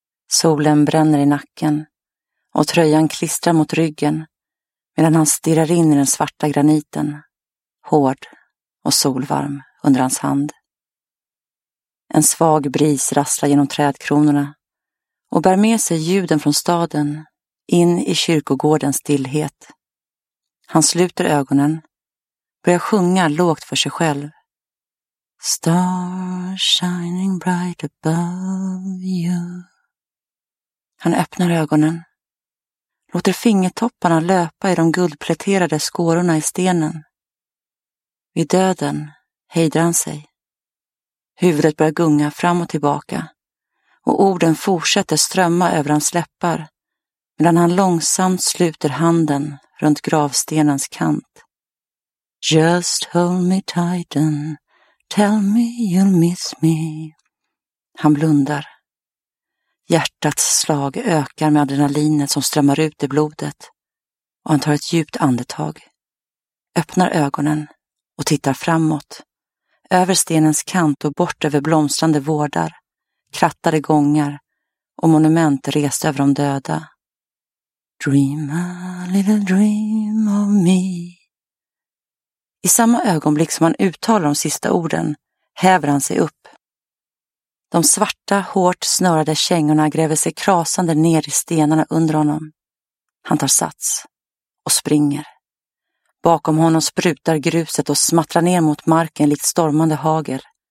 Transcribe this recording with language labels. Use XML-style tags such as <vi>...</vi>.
<sv>Solen bränner i nacken och tröjan klistrar mot ryggen medan han stirrar in i den svarta graniten, hård och solvarm. Under hans hand. En svag bris rasslar genom trädkronorna och bär med sig ljuden från staden in i kyrkogårdens stillhet. Han sluter ögonen, börjar sjunga lågt för sig själv.</sv> <en>Stars shining bright above you.</en> <sv>Han öppnar ögonen, låter fingertopparna löpa i de guldpläterade skårorna i stenen. Vid döden hejdrar han sig. Huvudet börjar gunga fram och tillbaka och orden fortsätter strömma över hans läppar medan han långsamt sluter handen runt gravstenens kant.</sv> <en>Just hold me tight and tell me you'll miss me.</en> <sv>Han blundar. Hjärtats slag ökar med adrenalinet som strömmar ut i blodet och han tar ett djupt andetag, öppnar ögonen och tittar framåt. Över stenens kant och bort över blomstrande vårdar, krattade gångar och monument rest över de döda.</sv> <en>Dream a little dream of me.</en> <sv>I samma ögonblick som han uttalar de sista orden häver han sig upp. De svarta, hårt snörade kängorna gräver sig krasande ner i stenarna under honom. Han tar sats och springer. Bakom honom sprutar gruset och smattrar ner mot marken likt stormande hager.</sv>